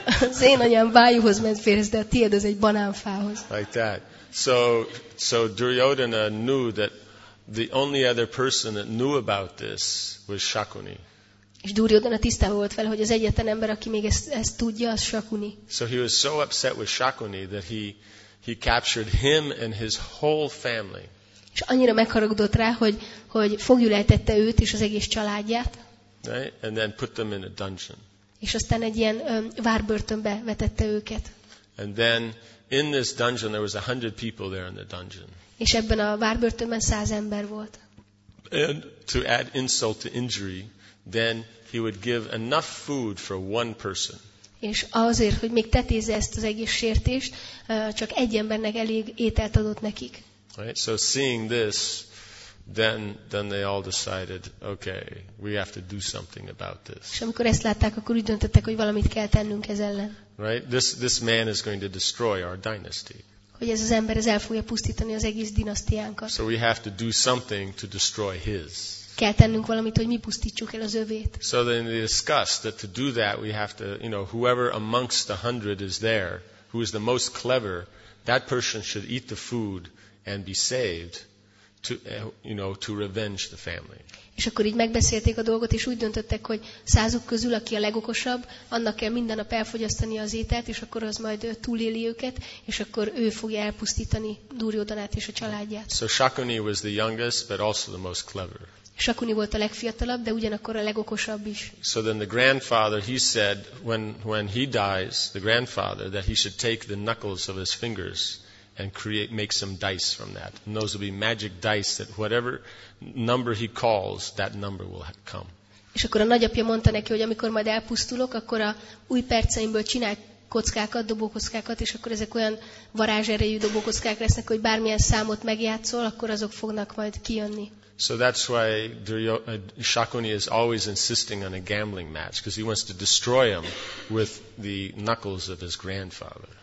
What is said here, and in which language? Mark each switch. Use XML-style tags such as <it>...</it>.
<hu>Az én anyám Vayuhoz ment férhez, de a tiéd az egy banánfához.</hu> <en>Like that. So Duryodhana knew that the only other person that knew about this was Shakuni.</en> <hu>És Duryodhana tisztában volt vele, hogy az egyetlen ember, aki még ezt tudja, az Shakuni.</hu> <en>So he was so upset with Shakuni that he captured him and his whole family.</en> <hu>És annyira megharagudott rá, hogy foglyulejtette őt és az egész családját.</hu> <en>Right? And then put them in a dungeon.</en> <hu>És aztán egy ilyen várbörtönbe vetette őket.</hu> <en>And then in this dungeon there was 100 people there in the dungeon.</en> <hu>És ebben a várbörtönben 100 ember volt.</hu> <en>And to add insult to injury, then he would give enough food for one person.</en> <hu>És azért, hogy még tetézze ezt az egész sértést, csak egy embernek elég ételt adott nekik.</hu> <en>Right? So seeing this, then they all decided, okay, we have to do something about this.</en> <hu>És amikor ezt látták, akkor úgy döntöttek, hogy valamit kell tennünk ez ellen.</hu> <en>Right? This man is going to destroy our dynasty.</en> <hu>Hogy ez az ember ez el fogja pusztítani az egész dinasztiánkat.</hu> <en>So we have to do something to destroy his.</en> <hu>Kell tennünk valamit, hogy mi pusztítsuk el az övét.</hu> <en>So then they discussed that to do that we have to, you know, whoever amongst the 100 is there, who is the most clever, that person should eat the food and be saved to, you know, to revenge the family.</en> <hu>És akkor így megbeszélték a dolgot, és úgy döntöttek, hogy százuk közül, aki a legokosabb, annak kell minden nap elfogyasztani az ételt, és akkor az majd túléli őket, és akkor ő fogja elpusztítani Duryodhanát és a családját.</hu> <en>So Shakuni was the youngest, but also the most clever.</en> <hu>Shakuni volt a legfiatalabb, de ugyanakkor a legokosabb is.</hu> <en>So then the grandfather, he said, when he dies, the grandfather, that he should take the knuckles of his fingers and create, make some dice from that. And those will be magic dice that whatever number he calls, that number will come.</en> <hu>És akkor a nagyapja mondta neki, hogy amikor majd elpusztulok, akkor a új perceimből csinálj kockákat, dobókockákat, és akkor ezek olyan varázserejű dobókockák lesznek, hogy bármilyen számot megjátszol, akkor azok fognak majd kijönni.</hu> <en>So that's why Shakuni is always insisting on a gambling match, because he wants to destroy him with the knuckles of his grandfather.</en>